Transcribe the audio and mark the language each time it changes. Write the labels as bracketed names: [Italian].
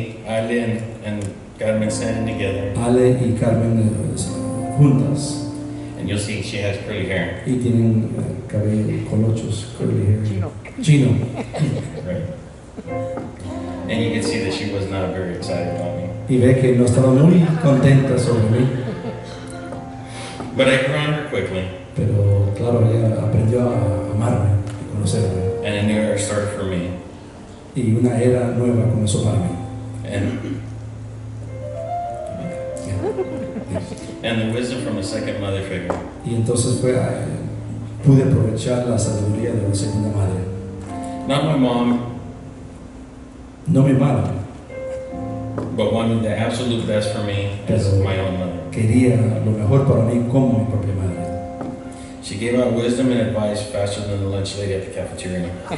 [English] Ale and Carmen standing together. [Spanish] Ale y Carmen juntas. [English] And you'll see she has curly hair. [Spanish] Y tienen cabello colochos, [English] curly hair. [Spanish] Chino. [English] Right. And you can see that she was not very excited about me. [Spanish] Y ve que no estaba muy contenta sobre mí. [English] But I grew on her quickly. [Spanish] Pero claro, ella aprendió a amarme, a conocerme. [English] And a new era started for me. [Spanish] Y una era nueva comenzó para mí. [English] And the wisdom from a second mother figure. [Spanish] Y entonces fue, pude aprovechar la sabiduría de una segunda madre. [English] Not my mom. [Spanish] No mi madre. [English] But wanted the absolute best for me as my own mother. [Spanish] Quería lo mejor para mí como mi propia madre. [English] She gave out wisdom and advice faster than the lunch lady at the cafeteria.